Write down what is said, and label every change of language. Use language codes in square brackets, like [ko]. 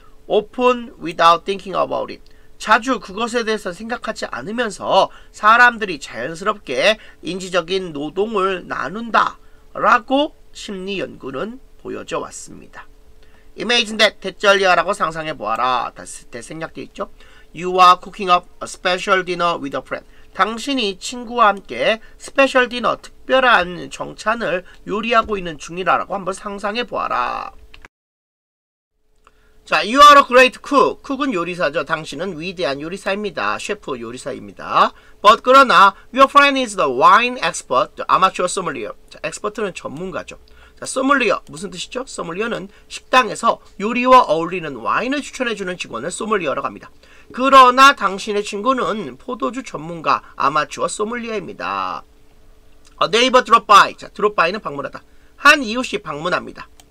[en] Often, without thinking about it. [ko] 자주 그것에 대해서 생각하지 않으면서 사람들이 자연스럽게 인지적인 노동을 나눈다 라고 심리 연구는 보여져 왔습니다. [en] Imagine that, [ko] 대절리아라고 상상해보아라. 대생략되어 있죠? [en] You are cooking up a special dinner with a friend. [ko] 당신이 친구와 함께 [en] special dinner, [ko] 특별한 정찬을 요리하고 있는 중이라고 한번 상상해보아라. [en] 자, you are a great cook. [ko] Cook은 요리사죠. 당신은 위대한 요리사입니다. 셰프 요리사입니다. [en] But [ko] 그러나, [en] your friend is the wine expert, the amateur sommelier. [ko] 자, 엑스퍼트는 전문가죠. 자, 소믈리어 무슨 뜻이죠? 소믈리어는 식당에서 요리와 어울리는 와인을 추천해주는 직원을 소믈리어라고 합니다. 그러나 당신의 친구는 포도주 전문가 아마추어 소믈리어입니다. [en] A neighbor drop by. [ko] 자, drop by는 방문하다. 한 이웃이 방문합니다.